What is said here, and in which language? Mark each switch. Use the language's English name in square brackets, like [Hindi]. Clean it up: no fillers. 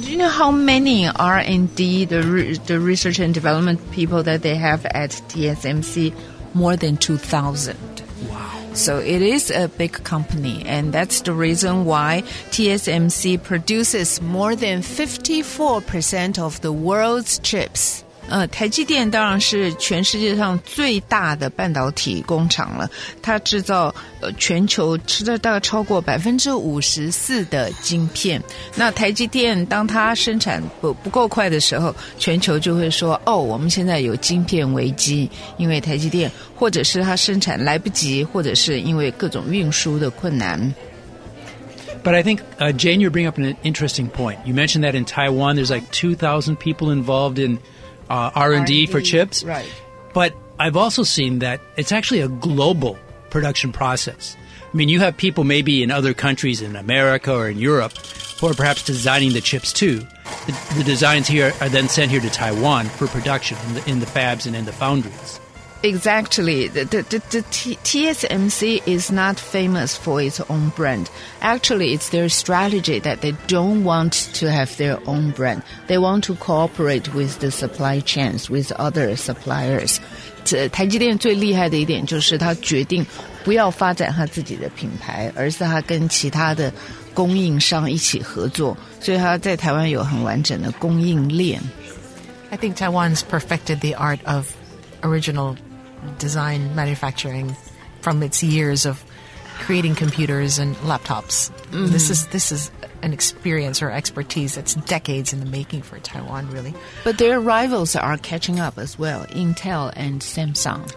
[English] Do you know how many R&D, the research and development people that they have at TSMC? More than 2,000. So it is a big company, and that's the reason why TSMC produces more than 54% of the world's chips. [Chinese] 台积电当然是全世界上最大的半导体工厂了，它制造全球大概超过54%的晶片。那台积电当它生产不够快的时候，全球就会说，哦，我们现在有晶片危机，因为台积电或者是它生产来不及，或者是因为各种运输的困难。 [English] But I think, Jane, you're bringing up an interesting point. You mentioned that in Taiwan, there's like 2,000 people involved in R&D for chips. Right. But I've also seen that it's actually a global production process. I mean, you have people maybe in other countries, in America or in Europe, who are perhaps designing the chips too. The designs here are then sent here to Taiwan for production in the fabs and in the foundries. Exactly. The TSMC is not famous for its own brand. Actually, it's their strategy that they don't want to have their own brand. They want to cooperate with the supply chains, with other suppliers. [Chinese] 台积电最厉害的一点就是它决定不要发展它自己的品牌，而是它跟其他的供应商一起合作。所以它在台湾有很完整的供应链。 [English] I think Taiwan's perfected the art of original design manufacturing from its years of creating computers and laptops. Mm-hmm. This is an experience or expertise that's decades in the making for Taiwan, really. But their rivals are catching up as well, Intel and Samsung.